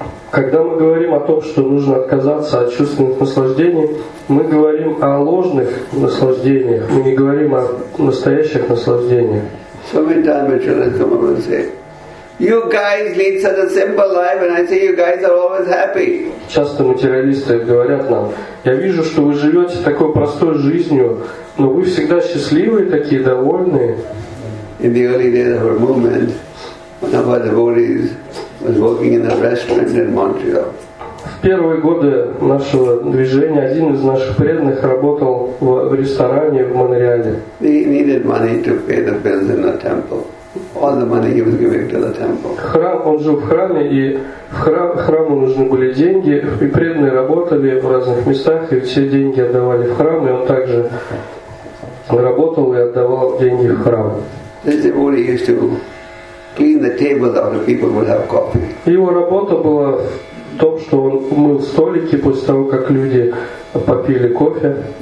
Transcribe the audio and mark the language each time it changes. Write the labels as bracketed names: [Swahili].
[Russian] Когда мы говорим о том, что нужно отказаться от чувственных наслаждений, мы говорим о ложных наслаждениях, мы не говорим о настоящих наслаждениях. [English] So many times my children come up and say, you guys lead such a simple life, and I say you guys are always happy. [Russian] Часто материалисты говорят нам, я вижу, что вы живете такой простой жизнью, но вы всегда счастливые, такие довольные. [English] In the early days of our movement, one of our devotees was working in a restaurant in Montreal. [Russian] В первые годы нашего движения один из наших преданных работал в ресторане в Монреале. [English] He needed money to pay the bills in the temple. All the money he was giving to the temple. [Russian] Храм, он жил в храме, и храму нужны были деньги, и преданные работали в разных местах, и все деньги отдавали в храм, и он также Он работал и отдавал деньги в храм. Его работа была в том, что он мыл столики после того, как люди попили кофе.